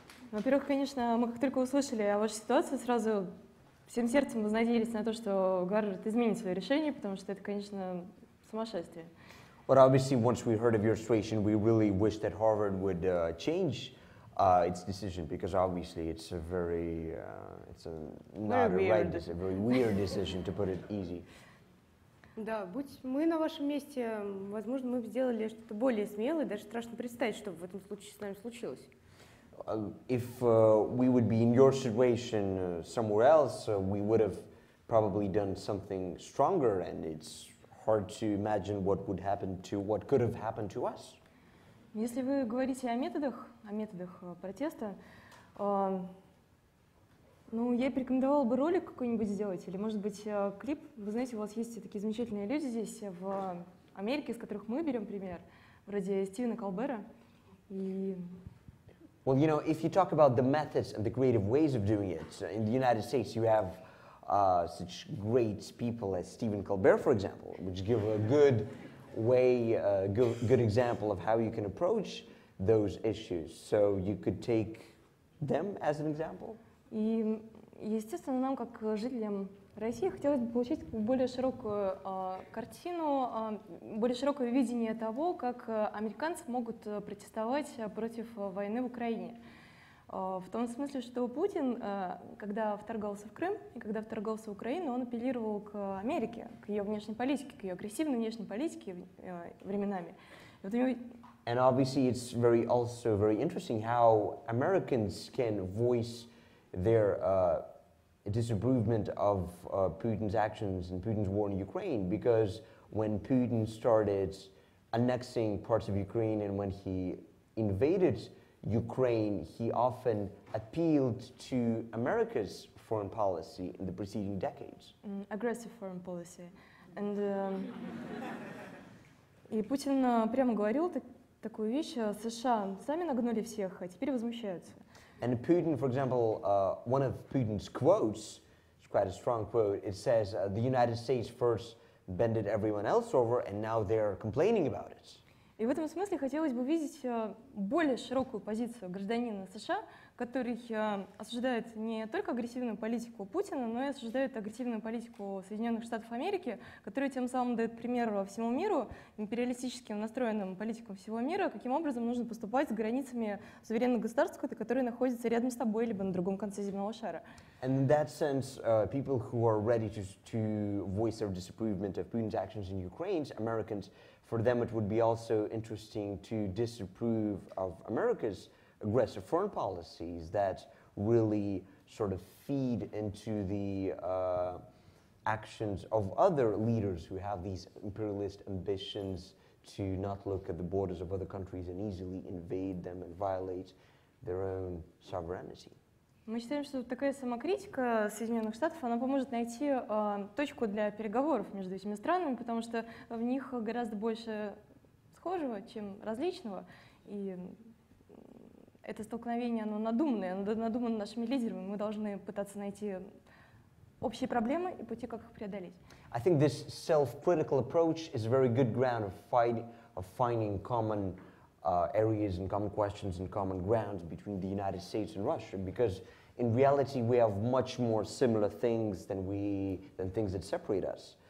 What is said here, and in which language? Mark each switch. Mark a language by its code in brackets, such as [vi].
[ru] Во-первых, конечно, мы как только услышали о вашей ситуации, сразу всем сердцем вознадеялись на то, что Гарвард изменит свое решение, потому что это, конечно, сумасшествие. [en] But obviously, once we heard of your situation, we really wish that Harvard would change its decision, because obviously it's a very, it's a not very a weird. Right decision, a very weird decision, to put it easy. [ru] Да, будь мы на вашем месте, возможно, мы бы сделали что-то более смелое, даже страшно представить, что в этом случае с нами случилось. [en] If we would be in your situation somewhere else, we would have probably done something stronger, and it's hard to imagine what could have happened to us. [ru] Если вы говорите о методах протеста, ну, я порекомендовала бы ролик какой-нибудь сделать, или, может быть, клип. Вы знаете, у вас есть такие замечательные люди здесь в Америке, из которых мы берем пример, вроде Стивена Колбера, и... [en] Well, you know, if you talk about the methods and the creative ways of doing it, in the United States you have such great people as Stephen Colbert, for example, which give a good way, good example of how you can approach those issues. So you could take them as an example? [ru] И, естественно, нам, как жителям России, хотелось бы получить более широкую картину, более широкое видение того, как американцы могут протестовать против войны в Украине. В том смысле, что Путин, когда вторгался в Крым и когда вторгался в Украину, он апеллировал к Америке, к ее внешней политике, к ее агрессивной внешней политике временами. [en] And obviously it's very also very interesting how Americans can voice their disapprovement of Putin's actions and Putin's war in Ukraine, because when Putin started annexing parts of Ukraine and when he invaded Ukraine, he often appealed to America's foreign policy in the preceding decades. Aggressive foreign policy. [ru] And и Путин прямо говорил такую вещь, США сами нагнули всех, а теперь возмущаются. [en] And Putin, for example, one of Putin's quotes, it's quite a strong quote, it says, the United States first bended everyone else over, and now they're complaining about it. [ru] И в этом смысле хотелось бы видеть более широкую позицию гражданина США, который осуждает не только агрессивную политику Путина, но и осуждает агрессивную политику Соединенных Штатов Америки, которая тем самым дает пример всему миру, империалистически настроенным политикам всего мира, каким образом нужно поступать с границами суверенных государств, которые находятся рядом с тобой либо на другом конце земного шара. [en] And in that sense, people who are ready to voice their disapprovement of Putin's actions in Ukraine, Americans, for them it would be also interesting to disapprove of America's aggressive foreign policies that really sort of feed into the actions of other leaders who have these imperialist ambitions to not look at the borders of other countries and easily invade them and violate their own sovereignty. [ru] Мы считаем, что такая самокритика Соединенных Штатов, она поможет найти точку для переговоров между этими странами, потому что в них гораздо больше схожего, чем различного. И это столкновение, оно надуманное, оно надумано нашими лидерами. Мы должны пытаться найти общие проблемы и пути, как их преодолеть. [en] I think this self-critical approach is a very good ground of finding common areas and common questions and common grounds between the United States and Russia, because in reality we have much more similar things than things that separate us.